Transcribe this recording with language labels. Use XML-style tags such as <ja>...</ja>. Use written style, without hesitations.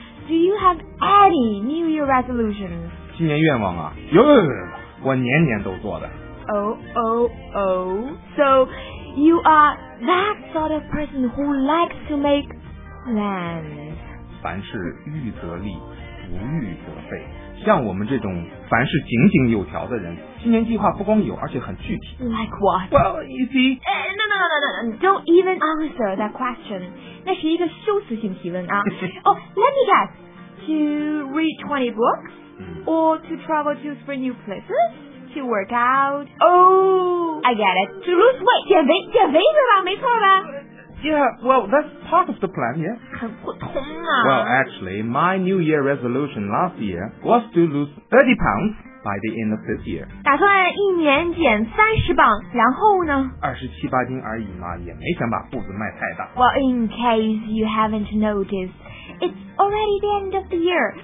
<en>Do you have any New Year resolutions?</en> <zh>新年愿望啊？有，我年年都做的。</zh> <en>Oh. So, you are that sort of person who likes to make plans.</en> <zh>凡事预则立，不预则废。像我们这种凡事井井有条的人，新年计划不光有，而且很具体。</zh> <en>Like what? Well, you see. No. Don't even answer that question.</en> <zh>那是一个修辞性提问啊。</zh> <en>Oh, let me guess. To read 20 books, or to travel to 3 new places, to work out. Oh, I get it. To lose weight,</en> <zh>减肥是吧？没错吧？</zh> <en>Yeah, well, that's part of the plan, yeah?</en> <zh>很不同啊。</zh> <en>Well, actually, my New Year resolution last year was to lose 30 pounds by the end of this year.</en> <zh>打算一年减30磅，然后呢？ 27-28斤而已嘛，也没想把步子迈太大。</zh> <en>Well, in case you haven't noticed, it's already the end of the year.</en>